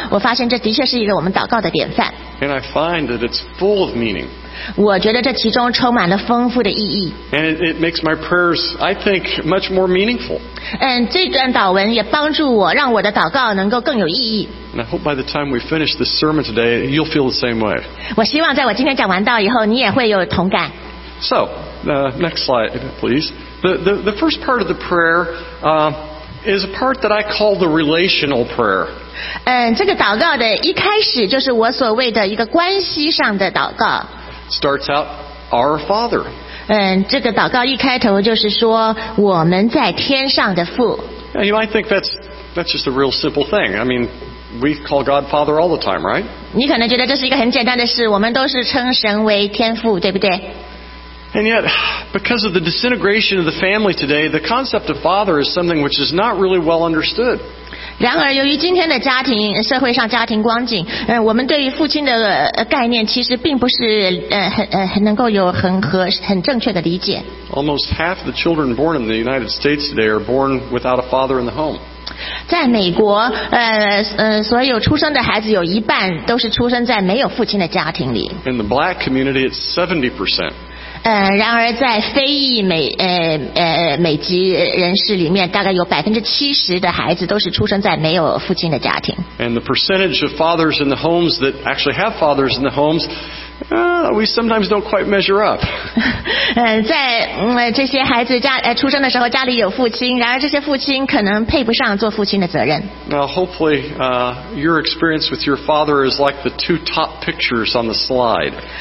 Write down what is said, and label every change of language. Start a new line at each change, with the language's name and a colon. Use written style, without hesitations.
Chinese: 我发现这的确是一个我们祷告的典范。
English: And I find that it's full of meaning.
Chinese: 我觉得这其中充满了丰富的意义。
English: And it makes my prayers, I think, much more meaningful.
Chinese: 这段祷文也帮助我，让我的祷告能够更有意义。
English: And I hope by the time we finish this sermon today, you'll feel the same way.
Chinese: 我希望在我今天讲完道以后，你也会有同感。
English: So. Next slide, please. The first part of the prayer is a part that I call the relational prayer.
Chinese: 这个祷告的一开始就是我所谓的一个关系上的祷告。
English: Starts out, Our Father.
Chinese: 这个祷告一开头就是说我们在天上的父。
English: Now, you might think that's just a real simple thing. I mean, we call God Father all the time, right?
Chinese: 你可能觉得这是一个很简单的事，我们都是称神为天父，对不对？
English: And yet, because of the disintegration of the family today, the concept of father is something which is not really well understood.
Chinese: 然而，由于今天的家庭社会上家庭光景，我们对于父亲的概念其实并不是很能够有很正确的理解。
English: Almost half the children born in the United States today are born without a father in the home.
Chinese: 在美国，所有出生的孩子有一半都是出生在没有父亲的家庭里。
English: In the black community, it's 70%.
Chinese: 然而在非裔美籍人士里面，大概有70%的孩子都是出生在没有父亲的家庭。
English: And the percentage of fathers in the homes that actually have fathers in the homes, we sometimes don't quite measure up.
Chinese: 在这些孩子出生的时候家里有父亲，然而这些父亲可能配不上做父亲的责任。
English: Now hopefully, your experience with your father is like the two top pictures on the slide.